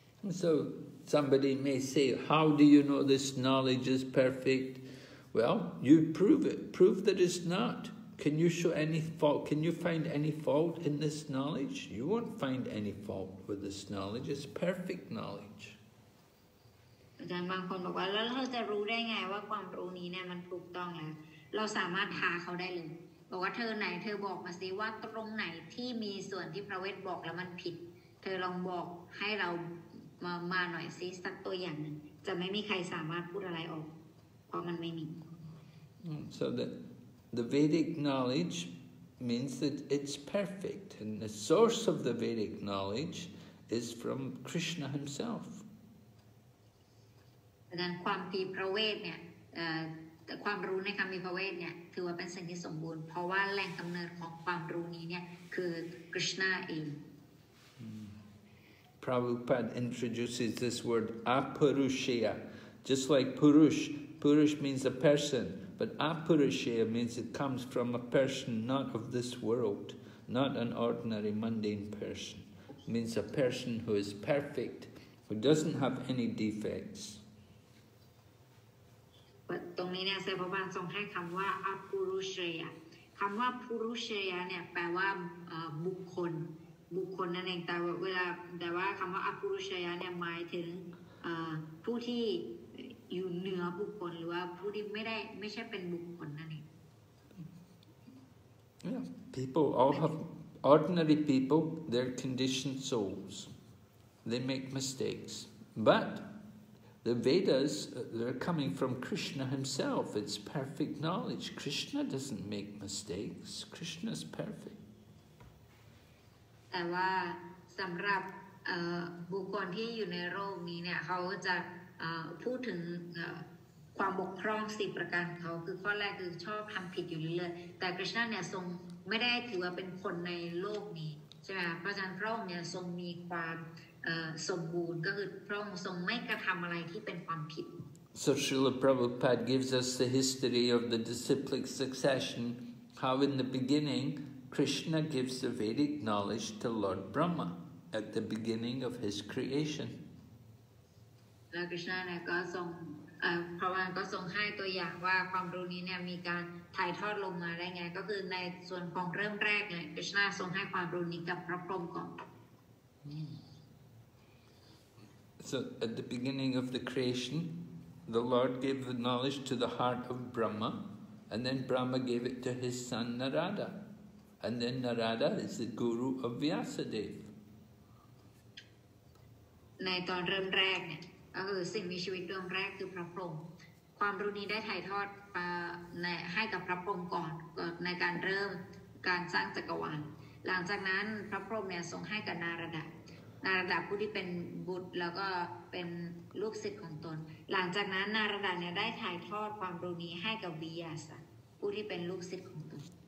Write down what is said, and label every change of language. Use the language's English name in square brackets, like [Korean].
[English] So somebody may say, how do you know this knowledge is perfect? Well, you prove it. Prove that it's not. Can you show any fault? Can you find any fault in this knowledge? You won't find any fault with this knowledge. It's perfect knowledge. [Thai] บางคนบอกว่าแล้วเราจะรู้ได้ไงว่าความรู้นี้เนี่ยมันถูกต้องแล้วเราสามารถหาเขาได้เลยบอกว่าเธอไหนเธอบอกมาสิว่าตรงไหนที่มีส่วนที่พระเวทบอกแล้วมันผิดเธอลองบอกให้เรามาหน่อยซิสักตัวอย่างนึงจะไม่มีใครสามารถพูดอะไรออกเพราะมันไม่มี [English] So the Vedic knowledge means that it's perfect and the source of the Vedic knowledge is from Krishna himself [Thai] ดังความที่พระเวทเนี่ยแต่ความรู้ในคำมีพระเวทเนี่ยถือว่าเป็นสิ่งที่สมบูรณ์เพราะว่าแหล่งกำเนิดของความรู้นี้เนี่ยคือ Krishna เอง [English] Prabhupada introduces this word apurushya just like purush purush means a person but apurushya means it comes from a person not of this world not an ordinary mundane person means a person who is perfect who doesn't have any defects [Thai] ตรงนี้เนี่ยเซพบาลทรงให้คำว่าอปุรุเชยะคำว่าปุรุเชยะเนี่ยแปลว่าบุคคลนั่นเองแต่เวลาแต่ว่าคำว่าอปุรุเชยะเนี่ยหมายถึงผู้ที่อยู่เหนือบุคคลหรือว่าผู้ที่ไม่ใช่เป็นบุคคลนั่นเอง [English] Yeah, people all have ordinary people they're conditioned souls they make mistakes butThe Vedas, they're coming from Krishna himself. It's perfect knowledge. Krishna doesn't make mistakes. Krishna's perfect. [Thai] แต่ว่าสำหรับบุคคลที่อยู่ในโลกนี้เนี่ยเขาจะพูดถึงความบกพร่องสิบประการเขาคือข้อแรกคือชอบทำผิดอยู่เรื่อยๆแต่ Krishna เนี่ยทรงไม่ได้ถือว่าเป็นคนในโลกนี้ใช่ไหมเพราะฉะนั้นพระองค์เนี่ยทรงมีความสมบูรณ์ก็คือพระองค์ทรงไม่กระทำอะไรที่เป็นความผิด [English] So Srila Prabhupada gives us the history of the disciplic succession how in the beginning Krishna gives the Vedic knowledge to Lord Brahma at the beginning of his creation [Thai] แล้ว Krishna เนี่ยก็ทรงพระองค์ก็ทรงให้ตัวอย่างว่าความรู้นี้เนี่ยมีการถ่ายทอดลงมาได้ไงก็คือในส่วนของเริ่มแรกเนี่ย Krishna ทรงให้ความรู้นี้กับพระพรหมก่อน [English] So at the beginning of the creation, the Lord gave the knowledge to the heart of Brahma, and then Brahma gave it to his son Narada, and then Narada is the guru of Vyasadeva. [Thai] ในตอนเริ่มแรกเนี่ยก็คือสิ่งมีชีวิตดวงแรกคือพระพรหมความรู้นี้ได้ถ่ายทอดให้กับพระพรหมก่อนในการเริ่มการสร้างจักรวาลหลังจากนั้นพระพรหมเนี่ยส่งให้กับนารดาดาผู้ที่เป็นบุตรแล้วก็เป็นลูกศิษย์ของตนหลังจากนั้นนารดาเนี่ยได้ถ่ายทอดความรู้นี้ให้กับวิยาสะผู้ที่เป็นลูกศิษย์ของตน